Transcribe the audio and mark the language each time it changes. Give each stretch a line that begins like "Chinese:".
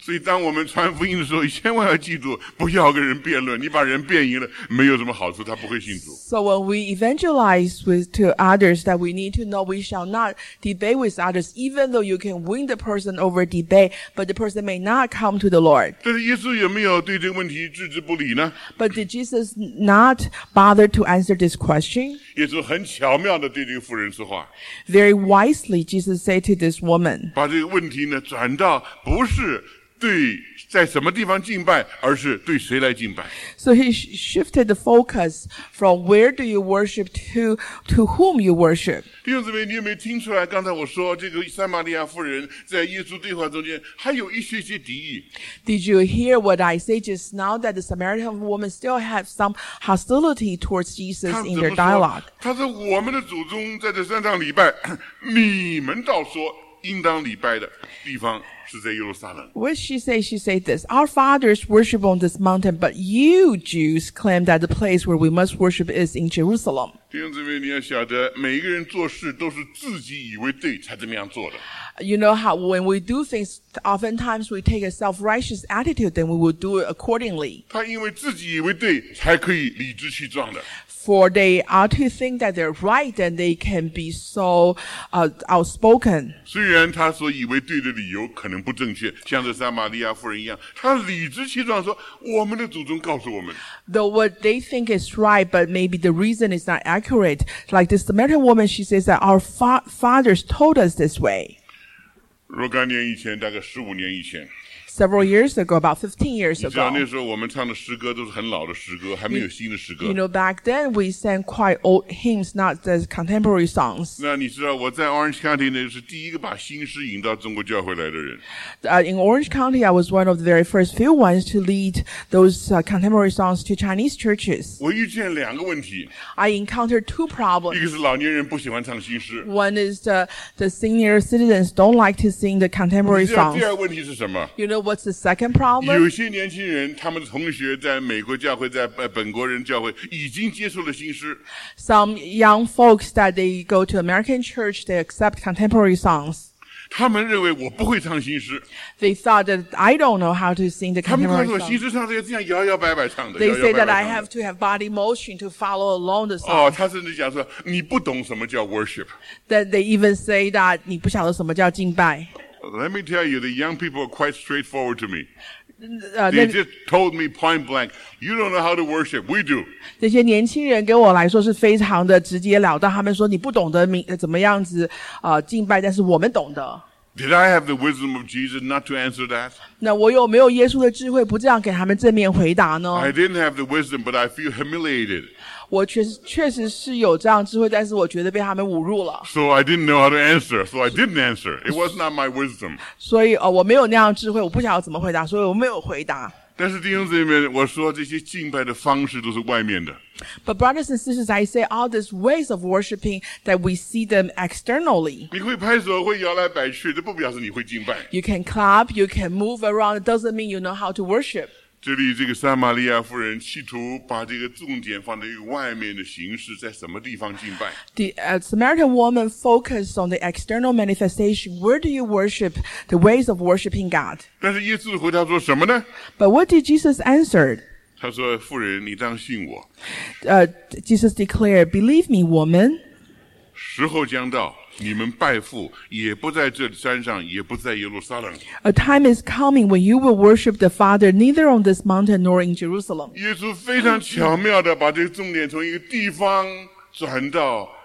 Chinese: 所以当我们传福音的时候千万要记住不要跟人辩论你把人辩赢了没有什么好处他不会信主。
English: So when we evangelize with to others that we need to know we shall not debate with others even though you can win the person over debate but the person may not come to the Lord.
Chinese: 但是耶稣有没有对这个问题置之不理呢
English: But did Jesus not bother to answer this question?
Chinese: 耶稣很巧妙地对这个妇人说话。
English: Very wisely Jesus said to this woman.
Chinese: 把这个问题呢转到不是对在什么地方敬拜而是对谁来敬拜。
English: So he shifted the focus from where do you worship to whom you worship.
Chinese: 弟兄姊妹你有没有听出来刚才我说这个撒玛利亚妇人在耶稣对话中间还有一些些敌意。
English: Did you hear what I say just now that the Samaritan woman still had some hostility towards Jesus in their dialogue?
Chinese: 他说我们的祖宗在这三堂礼拜你们倒说应当礼拜的地方是在耶路撒冷。
English: What she say? She say this. Our fathers worship on this mountain, but you Jews claim that the place where we must worship is in Jerusalem.
Chinese: 弟兄姊妹，你要晓得，每一个人做事都是自己以为对才这么样做的。
English: You know how when we do things, oftentimes we take a self-righteous attitude, then we will do it accordingly.
Chinese: 他因为自己以为对，才可以理直气壮的。
English: For they are to think that they're right and they can be so, outspoken.
Chinese: 虽然他所以为对的理由可能不正确，像这撒玛利亚妇人一样，他理直气壮说：“我们的祖宗告诉我们。”
English: Though what they think is right, but maybe the reason is not accurate. Like this Samaritan woman, she says that our fathers told us this way.
Chinese: 若干年以前，大概十五年以前。
English: Several years ago, about 15 years ago.
Chinese: 你知道那时候我们唱的诗歌都是很老的诗歌，还没有新的诗歌。
English: You know, back then we sang quite old hymns, not the contemporary songs.
Chinese: 那你知道我在 Orange County 那是第一个把新诗引到中国教会来的人。
English: In Orange County, I was one of the very first few ones to lead those contemporary songs to Chinese churches.
Chinese: 我遇见两个问题。
English: I encountered two problems.
Chinese: 一个是老年人不喜欢唱新诗。
English: One is the senior citizens don't like to sing the contemporary songs.
Chinese: 你知道第二问题是什么？
English: You know what's the second problem?
Chinese: 有些年轻人，他们的同学在美国教会，在本国人教会已经接受了新诗。
English: Some young folks that they go to American church, they accept contemporary songs.
Chinese: 他们认为我不会唱新诗。
English: They thought that I don't know how to sing the contemporary songs.
Chinese: 他们告诉我，新诗唱的要这样摇摇摆摆唱的。
English: They say that I have to have body motion to follow along the song.
Chinese: 哦，他甚至讲说你不懂什么叫 worship.
English: That they even say that
Chinese: 你不晓得什么叫敬拜。
English: Let me tell you, the young people are quite straightforward to me. They just told me point blank, you don't know how to worship, we do.
Chinese: 这些年轻人给我来说是非常的直接了当，他们说你不懂得怎么样子敬拜，但是我们懂得。
English: Did I have the wisdom of Jesus not to answer that?
Chinese: 那我有没有耶稣的智慧不这样给他们正面回答呢？
English: I didn't have the wisdom, but I feel humiliated.
Chinese: 我确实是有这样智慧，但是我觉得被他们侮辱了。
English: So I didn't know how to answer, so I didn't answer. It was not my wisdom.
Chinese: 所以我没有那样智慧，我不晓得怎么回答，所以我没有回答。但是弟兄姊妹，我说这些敬拜的方式都是外面的。
English: But brothers and sisters, I say all these ways of worshiping that we see them externally.
Chinese: 你会拍手，会摇来摆去，这不表示你会敬拜。
English: You can clap, you can move around, it doesn't mean you know how to worship.
Chinese: 这里这个撒玛利亚妇人企图把这个重点放在一个外面的形式，在什么地方敬拜。
English: The Samaritan woman focused on the external manifestation. Where do you worship the ways of worshiping God?
Chinese: 但是耶稣回答说什么呢？
English: But what did Jesus answer?
Chinese: 他说妇人你当信我。
English: Jesus declared, believe me, woman.
Chinese: 时候将到。你们拜父也不在这山上也不在耶路撒冷。
English: A time is coming when you will worship the Father neither on this mountain nor in Jerusalem.
Chinese: 耶稣非常巧妙地把这个重点从一个地方转到